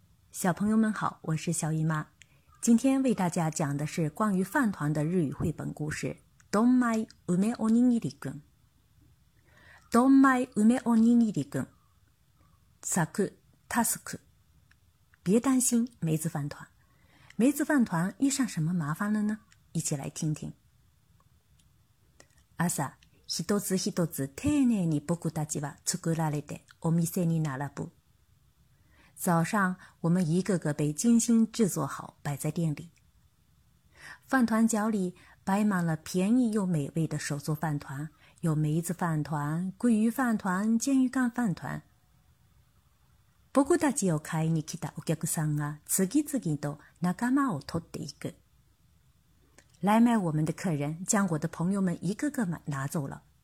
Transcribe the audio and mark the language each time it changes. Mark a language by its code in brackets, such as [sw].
[zh] 小朋友们好，我是小姨妈。今天为大家讲的是关于饭团的日语绘本故事。 [ja] Donmai ume onigiri kun。 Donmai ume onigiri kun。 [zh] Saku tasuku。别担心，梅子饭团。梅子饭团遇上什么麻烦了呢？一起来听听。 [ja] 朝、一つ一つ丁寧に僕たちは作られてお店に並ぶ。 [zh] 早上，我们一个个被精心制作好，摆在店里。饭团角里摆满了便宜又美味的手作饭团，有梅子饭团、鲑鱼饭团、煎鱼干饭团。 [ja] 僕たちを買いに来たお客さんが次々と仲間を取っていく。 [zh] 来买我们的客人将我的朋友们一个个拿走了。